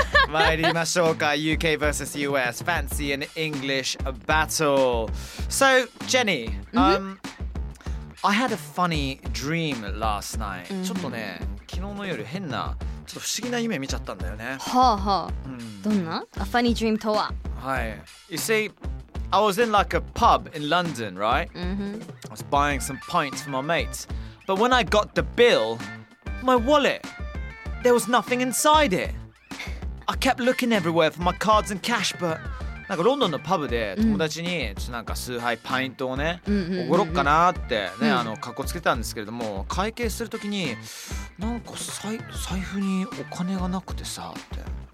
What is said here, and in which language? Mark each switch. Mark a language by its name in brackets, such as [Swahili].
[Japanese] 参りましょうか。 [English] UK vs US Fancy an English Battle。 So Jenny、I had a funny dream last night、 [Japanese] ちょっとね、昨日の夜変なちょっと不思議な夢見ちゃったんだよね。はあはあ、どんな [English] A funny dream [Japanese] とは。 [English] はい、 You see、I was in like a pub in London, right?、 Mm-hmm. I was buying some pints for my mates. But when I got the bill, my wallet, there was nothing inside it. I kept looking everywhere for my cards and cash, but... [Japanese] なんかロンドンのパブで友達にちょっとなんか数杯パイントをね、おごろっかなってね、かっこつけたんですけれども、会計するときに、なんか財布にお金がなくてさって。